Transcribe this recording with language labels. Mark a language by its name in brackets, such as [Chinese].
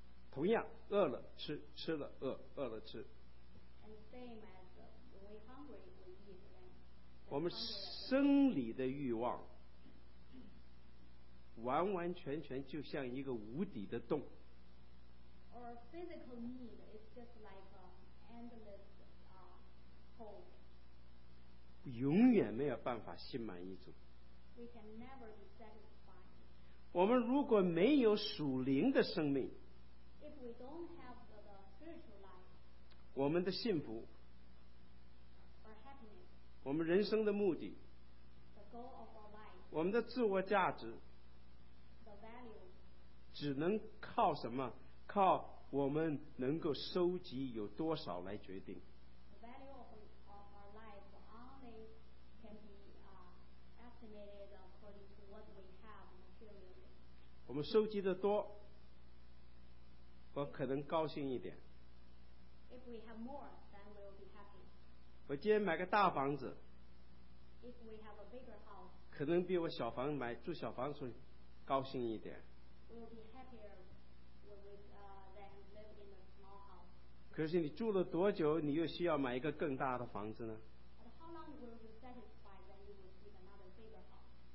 [Chinese] 同样，饿了吃，吃了饿，饿了吃。 [English] And same as when we hungry, we eat. [Chinese] 我们生理的欲望完完全全就像一个无底的洞。 [English] Our physical need is just like an endless hole. [Chinese] 永远没有办法心满意足。 [English] We can never be satisfied. [Chinese] 我们如果没有属灵的生命， [English] If we don't have the spiritual life, [Chinese] 我们的幸福，我们人生的目的， [English] the goal of our life, [Chinese] 我们的自我价值， [English] the value, [Chinese] 只能靠什么？靠我们能够收集有多少来决定。 [English] The value of our life only can be estimated according to what we have materially. [Chinese] 我们收集的多，我可能高兴一点。 [English] If we have more, then we'll be happy. [Chinese] 我今天买个大房子， [English] If we have a bigger house, [Chinese] 可能比我小房买住小房子高兴一点。 [English] We'll be happier than living in a small house. [Chinese] 可是你住了多久，你又需要买一个更大的房子呢？ [English] But how long will you satisfy when you receive another bigger house?